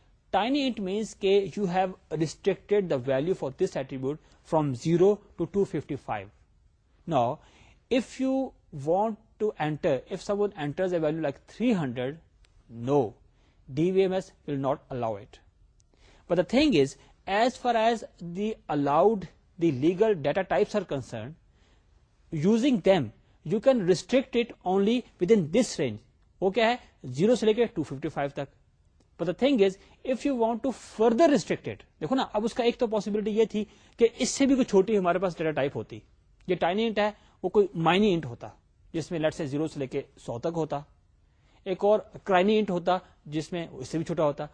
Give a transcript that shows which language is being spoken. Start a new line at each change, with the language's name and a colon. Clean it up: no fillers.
English: Tiny int means کہ you have restricted the value for this attribute from 0 to 255. Now if you want to enter if someone enters a value like 300, no D B M S will not allow it. But the thing is as far as the allowed the legal data types are concern using them you can restrict it only within this range.
Urdu: وہ کیا ہے 0 سے لے کے 255 تک.
English: But the thing is, if you want to further restrict it,
Urdu: دیکھو نا اب اس کا ایک تو possibility یہ تھی کہ اس سے بھی کوئی چھوٹی ہمارے پاس ڈیٹا ٹائپ ہوتی, یہ ٹائنی انٹ ہے وہ کوئی مائنی انٹ ہوتا جس میں لیٹس سے 0 سے لے کے 100 تک ہوتا, ایک اور کرائنی انٹ ہوتا جس میں اس سے بھی چھوٹا ہوتا.